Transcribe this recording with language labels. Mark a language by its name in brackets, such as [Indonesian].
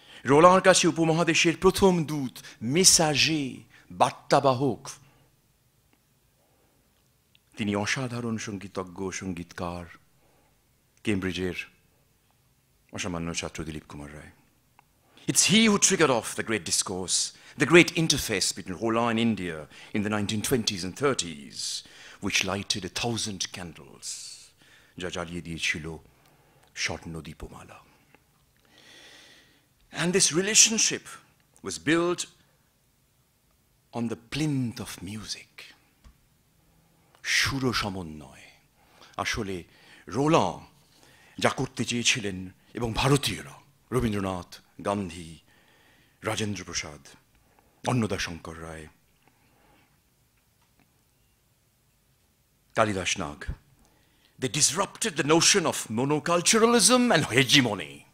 [Bangla] রোলাঁর কাছে উপমহাদেশের প্রথম দূত, মেসাজে, বার্তাবাহক, তিনি অসাধারণ সঙ্গীতজ্ঞ, সঙ্গীতকার, কেমব্রিজের অসামান্য ছাত্র দিলীপ কুমার রায়। [English] It's he who triggered off the great discourse, the great interface between Rolaṁ and India in the 1920s and 30s, which lighted 1,000 candles. [Bangla] Ja jaliye diyechilo shornodipomala. [English] And this relationship was built on the plinth of music. [Bangla] Shuro shamonnoy. Ashole Rolaṁ ja korte cheyechilen ebong bharotiyora, Rabindranath, Gandhi, Rajendra Prasad, Annadashankar Roy, Kalidas Nag, [English] They disrupted the notion of monoculturalism and hegemony.